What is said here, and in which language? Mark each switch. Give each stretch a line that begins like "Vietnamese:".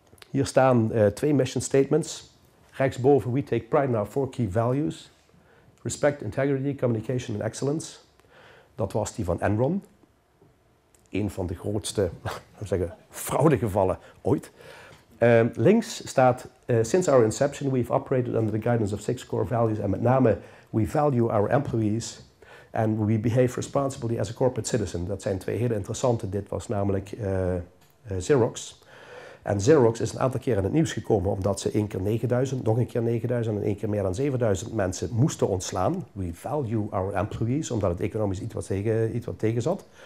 Dutch: Hier staan 2 mission statements. Rechtsboven,
English: we take pride in our 4 key values. Respect, integrity, communication and excellence.
Dutch: Dat was die van Enron. Een van de grootste, laten we zeggen, fraudegevallen ooit. Links staat,
English: since our inception we've operated under the guidance of 6 core values.
Dutch: En met name,
English: we value our employees. And we behave responsibly as a corporate citizen.
Dutch: Dat zijn 2 hele interessante. Dit was namelijk Xerox. En Xerox is een aantal keer in het nieuws gekomen omdat ze 1 keer 9000, nog een keer 9000 en 1 keer meer dan 7000 mensen moesten ontslaan.
English: We value our employees,
Dutch: omdat het economisch iets wat tegen zat.